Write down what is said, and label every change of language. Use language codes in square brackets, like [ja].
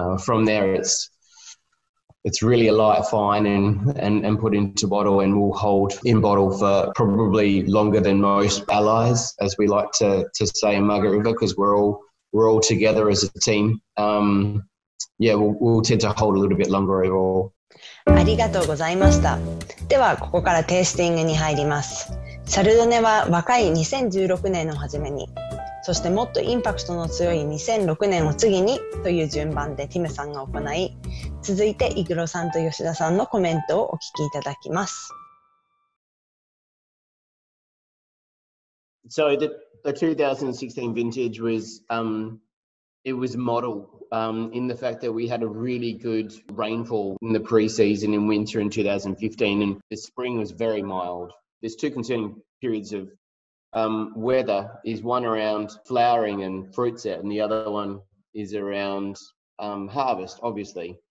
[en] From there, it's really a light fine and put into bottle, and will hold in bottle for probably longer than most allies, as we like to say in Margaret River, because we're all together as a team. We'll tend to hold a little bit longer overall. [ja] ありがとうございました。ではここからテイスティングに入ります。シャルドネは若い2016年の初めに、そしてもっとインパクトの強い2006年を次にという順番でティムさんが行い、続いてイグロさんと吉田さんのコメントをお聞きいただきます。 [en] So the 2016 vintage was, it was model, in the fact that we had a really good rainfall in the pre-season in winter in 2015, and the spring was very mild. There's two concerning periods of weather, is one around flowering and fruit set, and the other one is around harvest, obviously.